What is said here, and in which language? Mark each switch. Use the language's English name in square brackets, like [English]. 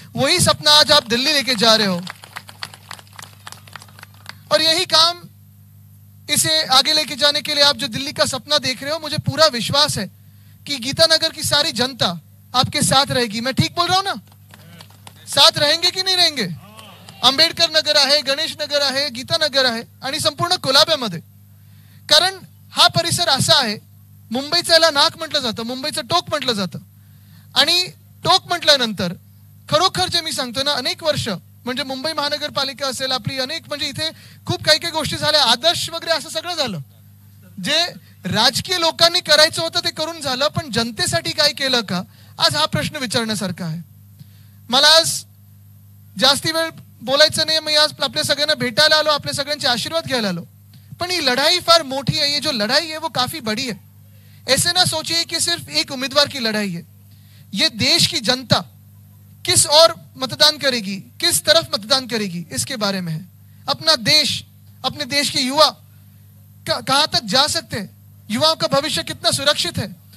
[Hindi] वही सपना आज आप दिल्ली लेके जा रहे हो और यही काम इसे आगे लेके जाने के लिए आप जो दिल्ली का सपना देख रहे हो, मुझे पूरा विश्वास है कि गीता नगर की सारी जनता आपके साथ रहेगी। मैं ठीक बोल रहा हूं ना? साथ रहेंगे कि नहीं रहेंगे? [Marathi] अंबेडकर नगर आहे, गणेश नगर आहे, गीता नगर आहे आणि संपूर्ण कोलाब्यामध्ये। कारण हा परिसर असा आहे, मुंबईचं नाक म्हटलं जातं, मुंबईचं टोक म्हटलं जातं। आणि टोक म्हटल्यानंतर खरोखर जे मी सांगतो ना, अनेक वर्ष म्हणजे मुंबई महानगरपालिका असेल आपली, अनेक म्हणजे इथे खूप काही काही गोष्टी झाल्या, आदर्श वगैरे असं सगळं झालं, जे राजकीय लोकांनी करायचं होतं ते करून झालं, पण जनतेसाठी काय केलं का, आज हा प्रश्न विचारण्यासारखा आहे। मला आज जास्ती वेळ बोलायचं नाही, मी आज आपल्या सगळ्यांना भेटायला आलो, आपल्या सगळ्यांचे आशीर्वाद घ्यायला आलो, पण ही लढाई फार मोठी आहे, जो लढाई आहे [Hindi] वो काफी बड़ी है। ऐसे ना सोचिए कि सिर्फ एक उम्मीदवार की लड़ाई है, ये देश की जनता किस ओर मतदान करेगी, किस तरफ मतदान करेगी, इसके बारे में है। अपना देश, अपने देश के युवा कहां तक जा सकते हैं, युवाओं का भविष्य कितना सुरक्षित है।